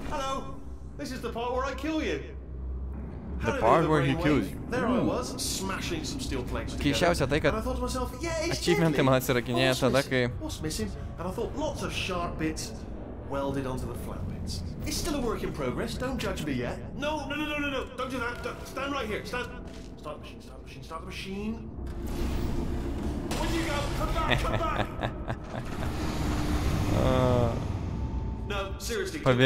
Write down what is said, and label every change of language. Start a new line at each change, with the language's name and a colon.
English: Hello, this is the part where I kill you. The part where he kills you. There I was, smashing some steel plates together.
Lithuanian: Keisčiausia tai, kad achievementai man atsirakinėjo tada, kai...
English: What's missing? And I thought lots of sharp bits welded onto the flat bits. It's still a work in progress, don't judge me yet. No, no, no, no, no, no, don't do that. Stand right here, stand. Start the machine, start the machine, start the machine. Where'd you go? Come back, come back! No, seriously,